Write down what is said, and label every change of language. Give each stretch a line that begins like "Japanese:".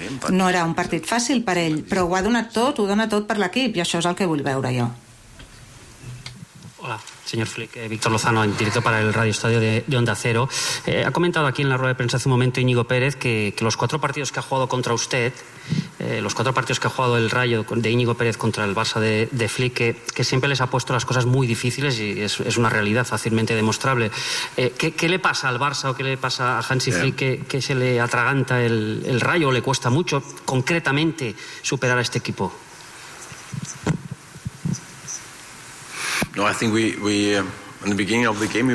Catalan: No era un partit fàcil per ell, però ho ha donat tot, ho dona tot per l'equip, i això és el que vull veure jo.
Spanish: Hola, señor Flick. Víctor Lozano, en directo para el Radio Estadio de Onda Cero. Ha comentado aquí en la rueda de prensa hace un momento Íñigo Pérez que los cuatro partidos que ha jugado contra usted, los cuatro partidos que ha jugado el Rayo de Íñigo Pérez contra el Barça de Flick, que siempre les ha puesto las cosas muy difíciles, y es una realidad fácilmente demostrable. ¿Qué le pasa al Barça, o qué le pasa a Hansi Flick que se le atraganta el Rayo, o le cuesta mucho concretamente superar a este equipo?
English: No, I think in the beginning of the game